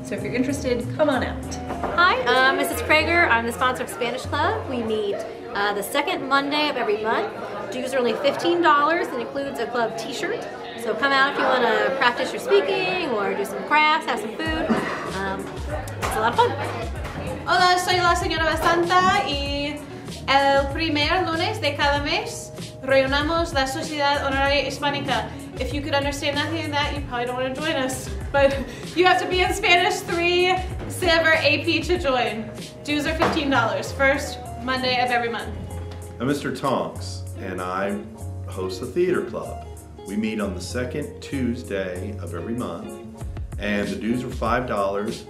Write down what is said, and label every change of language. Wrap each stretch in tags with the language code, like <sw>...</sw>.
<en>So if you're interested, come on out. Hi, Mrs. Prager. I'm the sponsor of Spanish Club. We meet the second Monday of every month. Dues are only $15 and includes a club t-shirt. So come out if you want to practice your speaking or do some crafts, have some food. It's a lot of fun.</en> <es>Hola, soy la señora Basanta y el primer lunes de cada mes reunamos la Sociedad Honoraria Hispánica.</es> <en>If you could understand nothing of that, you probably don't want to join us. But you have to be in Spanish 3 Silver AP to join. Dues are $15, first Monday of every month. I'm Mr. Tonks, and I host the theater club. We meet on the second Tuesday of every month, and the dues are $5.</en>